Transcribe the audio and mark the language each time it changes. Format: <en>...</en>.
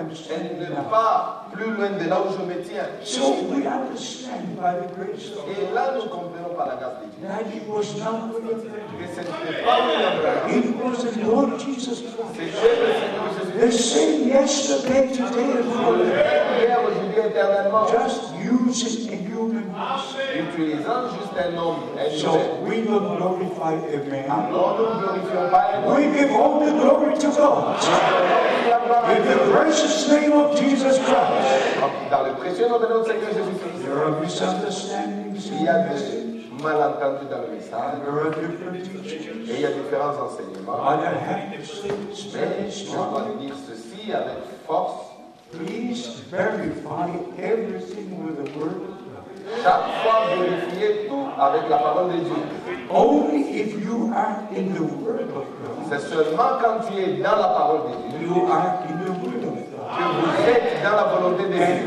<fr>Elle n'est pas plus loin de là où je me tiens.</fr> <en>So we understand by the grace of God.</en> <fr>Et là nous comprenons par la grâce de Dieu.</fr> <en>That it was not William Branham. It was the Lord Jesus Christ.</en> <fr>C'est le Seigneur Jésus.</fr> <en>The same yesterday, today, and forever. Just using a human voice.</en> <fr>Utilisant juste un homme.</fr> <en>So we will glorify a man.</en> <fr>Lord, nous glorifions pas un homme.</fr> <en>We give all the glory to God. In the precious name of Jesus Christ.</en> <fr>Dans le précieux nom de notre Seigneur Jésus-Christ.</fr> <en>There are misunderstandings.</en> <fr>Il y a des malentendu dans le message. Et il y a différents enseignements. Mais je dois dire ceci avec force.</fr> <en>Please verify everything with the word.</en> <fr>Chaque fois, vérifiez tout avec la parole de Dieu.</fr> <en>Only if you are in the word of God.</en> <fr>C'est seulement quand tu es dans la parole de Dieu.</fr> <en>You are in the word of God.</en> <fr>Que vous êtes dans la volonté de Dieu.</fr>